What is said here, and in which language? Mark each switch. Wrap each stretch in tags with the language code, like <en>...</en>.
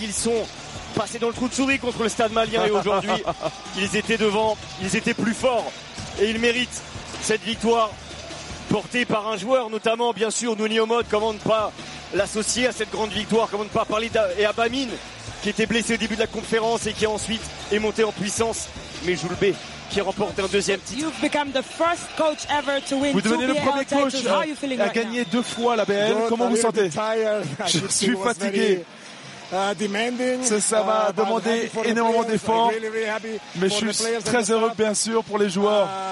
<fr>Ils sont passés dans le trou de souris contre le Stade Malien. Et aujourd'hui, ils étaient devant, ils étaient plus forts. Et ils méritent cette victoire portée par un joueur, notamment bien sûr Nouni Omot. Comment ne pas l'associer à cette grande victoire? Comment ne pas parler et à Bamine qui était blessé au début de la conférence et qui ensuite est monté en puissance. Mais Djoulbé, qui remporte un deuxième titre.</fr> <en>You've become the first coach ever to win.</en> <fr>Vous devenez le premier coach à gagner deux fois la BAL. Comment vous sentez? Je suis fatigué. Ça va demander énormément d'efforts, mais je suis très heureux, bien sûr, pour les joueurs.</fr>